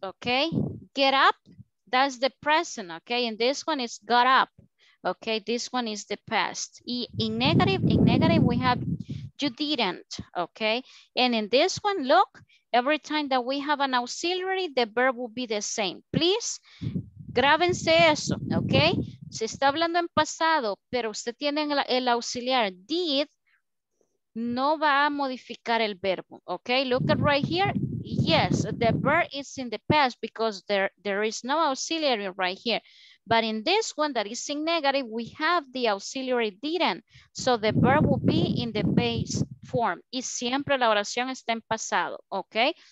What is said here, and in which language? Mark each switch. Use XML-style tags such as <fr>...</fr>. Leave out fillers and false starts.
<en>Okay, get up, that's the present. Okay, and this one is got up. Okay, this one is the past. In negative, we have you didn't. Okay, and in this one, look, every time that we have an auxiliary, the verb will be the same.</en> <es>Please, grábense eso, okay? Se está hablando en pasado, pero usted tiene el auxiliar did, no va a modificar el verbo, okay?</es> <en>Look at right here. Yes, the verb is in the past because there is no auxiliary right here. But in this one that is in negative, we have the auxiliary didn't. So the verb will be in the base form.</en> <es>Y siempre la oración está en pasado, okay?</es>